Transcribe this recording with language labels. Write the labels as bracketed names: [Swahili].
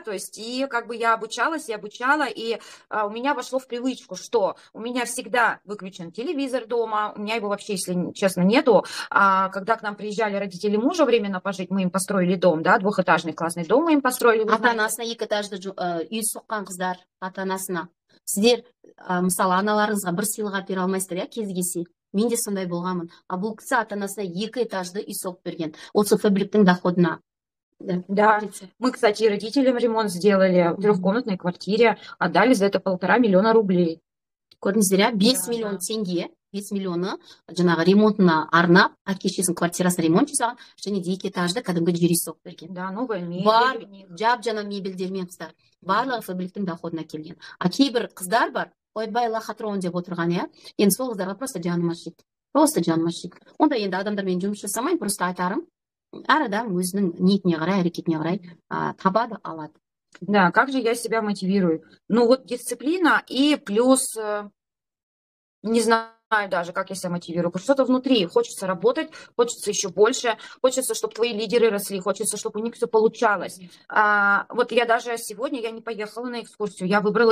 [Russian] То есть, и как бы я обучалась и обучала, и у меня вошло в привычку, что у меня всегда выключен телевизор дома, у меня его вообще, если честно, нету. Когда к нам приезжали родители мужа временно пожить, мы им построили дом, да, двухэтажный классный дом мы им построили, вы знаете. [Kazakh] Ата-анасына екі этажды үй соққан қыздар ата-анасына. Сіздер мысалы аналарыңызға бір сыйлық әпере алмайсыздар иә кез келсе. Мен де сондай болғанмын. А бұл кісі ата-анасына екі этажды үй соғып берген. Осы фабриктің доходына. [Russian] Да, Да. мы, кстати, родителям ремонт сделали в трехкомнатной квартире, отдали за это 1,5 миллиона рублей. [Kazakh] Көрдіңіздер иә? Бес [Russian] Да, [Kazakh] миллион [Russian] да. [Kazakh] теңге. 5 миллионы жаңағы ремонтына арнап әке шешесінің квартирасын ремонт жасаған және де екі этажды кәдімгі жер үй соғып берген. [Russian] Да, новая мебель у [Kazakh] Бар [Russian] них. [Kazakh] жап жана мебельдермен қыздар барлығы фабриктің доходына келген. А кейбір қыздар бар, ойбай лохотрон деп отырған иә, енді сол қыздарға просто жаным ашиды, просто жаным ашиды. Онда енді адамдармен жұмыс жасамаймын, просто айтарым, әр адам өзінің ниетіне қарай, әрекетіне қарай табады, алады. [Russian] Да, как же я себя мотивирую? Ну вот дисциплина и плюс, не знаю даже, как я себя мотивирую. Что-то внутри, хочется работать, хочется еще больше, хочется, чтобы твои лидеры росли, хочется, чтобы у них все получалось. Вот я даже сегодня я не поехала на экскурсию, я выбрала